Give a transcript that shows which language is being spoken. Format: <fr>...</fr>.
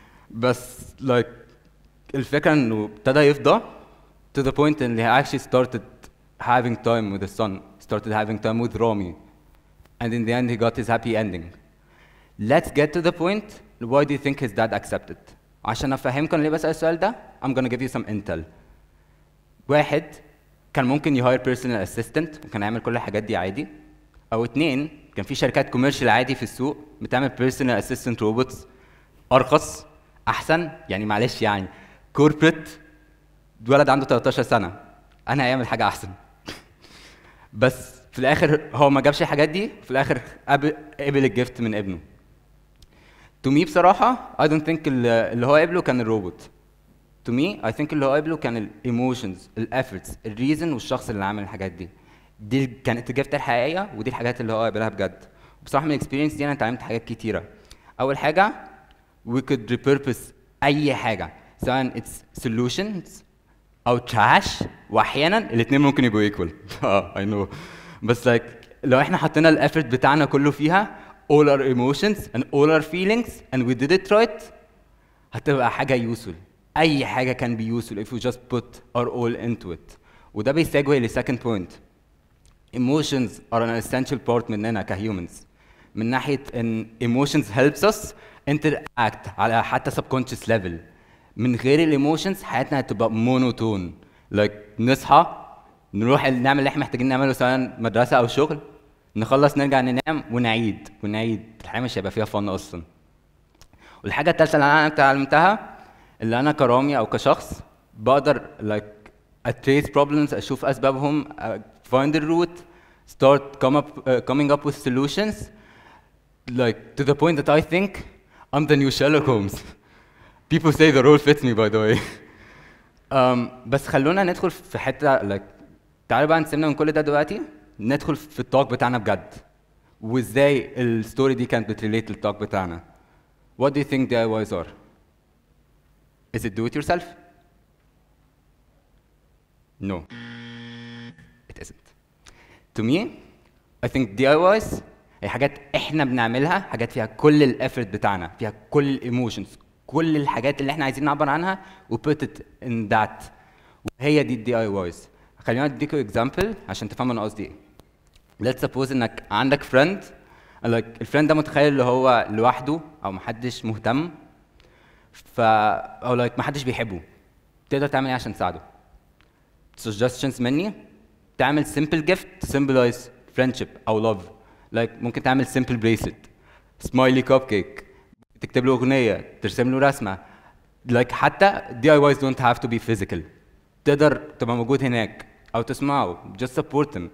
<en>بس like</en> <ar>الفكرة إنه ابتدى يفضى</ar> <en>to the point إن he actually started having time with his son, started having time with Rami, and in the end he got his happy ending. Let's get to the point. Why do you think his dad accepted?</en> <ar>عشان أفهمكم ليه بسأل السؤال ده,</ar> <en>I'm gonna give you some intel.</en> <ar>واحد, كان ممكن يهاير personal assistant وكان يعمل كل الحاجات دي عادي. أو اتنين, كان في شركات commercial عادي في السوق بتعمل personal assistant robots أرخص أحسن, يعني معلش يعني كوربريت ولد عنده 13 سنة أنا هيعمل حاجة أحسن. بس في الآخر هو ما جابش الحاجات دي, في الآخر قبل الجفت من ابنه. To me بصراحة</ar> <en>I don't think</en> <ar>اللي هو قبله كان الروبوت.</ar> <en>To me I think</en> <ar>اللي هو قبله كان الـ emotions, الـ efforts, الـ reason والشخص اللي عمل الحاجات دي. دي كانت الجفت الحقيقية ودي الحاجات اللي هو قبلها بجد. بصراحة من الاكسبيرينس دي أنا اتعلمت حاجات كتيرة. أول حاجة,</ar> <en>we could repurpose</en> <ar>اي حاجه, سواء it's solutions او trash, واحيانا الاثنين ممكن يبقوا equal. I know, بس like لو احنا حطينا الافورت بتاعنا كله فيها,</ar> <en>all our emotions and all our feelings and we did it right,</en> <ar>هتبقى حاجه يوصل. اي حاجه كان بيوصل</ar> <en>if we just put our all into it.</en> <ar>وده بيساجوي لسكند بوينت,</ar> <en>emotions are an essential part</en> <ar>مننا كhumans, من ناحيه ان</ar> <en>emotions helps us interact</en> <ar>على حتى subconscious level. من غير الايموشنز حياتنا هتبقى مونوتون. Like نصحى نروح نعمل اللي احنا محتاجين نعمله, سواء مدرسه او شغل, نخلص نرجع ننام ونعيد ونعيد, الحياه مش هيبقى فيها فن اصلا. والحاجه الثالثه اللي انا اتعلمتها, اللي انا كرامي او كشخص بقدر like</ar> <en>trace problems,</en> <ar>اشوف اسبابهم,</ar> <en>find the root, start coming up with solutions, like to the point that I think I'm the new Sherlock Holmes. People say the role fits me, by the way.</en> <ar>بس خلونا ندخل في حتة, like تعالوا بقى نسيبنا من كل ده دلوقتي, ندخل في التوك بتاعنا بجد, وازاي الستوري دي كانت بتريليت للتوك بتاعنا.</ar> <en>What do you think DIYs are? Is it do-it-yourself? No. It isn't. To me, I think</en> <ar>DIYs هي حاجات احنا بنعملها, حاجات فيها كل الافورت بتاعنا, فيها كل الايموشنز, كل الحاجات اللي احنا عايزين نعبر عنها, و</ar> <en>put it in that.</en> <ar>وهي دي الدي اي وايز. خلينا اديكوا اكزامبل عشان تفهموا انا قصدي ايه.</ar> <en>Let's suppose</en> <ar>انك عندك فريند, like الفريند ده متخيل اللي هو لوحده او محدش مهتم, ف او like محدش بيحبه, تقدر تعمل ايه عشان تساعده؟ Suggestions مني, تعمل</ar> <en>simple gift to symbolize friendship</en> <ar>او love. Like ممكن تعمل</ar> <en>simple bracelet, smiley cupcake,</en> <ar>تكتب له اغنيه, ترسم له رسمه.</ar> <en>Like حتى DIYs don't have to be physical,</en> <ar>تقدر تبقى موجود هناك او تسمعه,</ar> <en>just support them.</en>